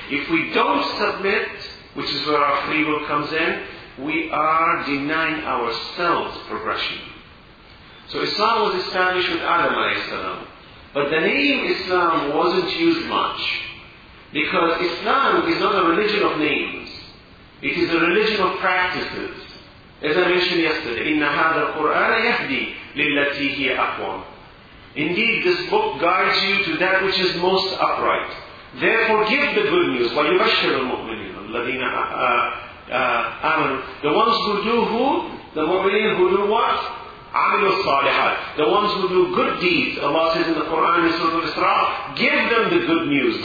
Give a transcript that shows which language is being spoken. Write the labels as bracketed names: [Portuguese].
[English] If we don't submit, which is where our free will comes in, we are denying ourselves progression. So Islam was established with Adam al-Islam. But the name Islam wasn't used much. Because Islam is not a religion of names. It is a religion of practices. As I mentioned yesterday, [Arabic] إِنَّ هَذَا الْقُرْآنَ يَهْدِي لِلَّتِي هِيَ أَقْوَمُ. [English] Indeed, this book guides you to that which is most upright. Therefore, give the good news. [Arabic] وَيُبَشِّرُ الْمُؤْمِنِينَ الَّذِينَ آمَنُوا. [English] The ones who do who? The mu'mineen who do what? [Arabic] عَمِلُوا الصَّالِحَاتِ. [English] The ones who do good deeds. Allah says in the Quran, in Surah Al-Isra, give them the good news.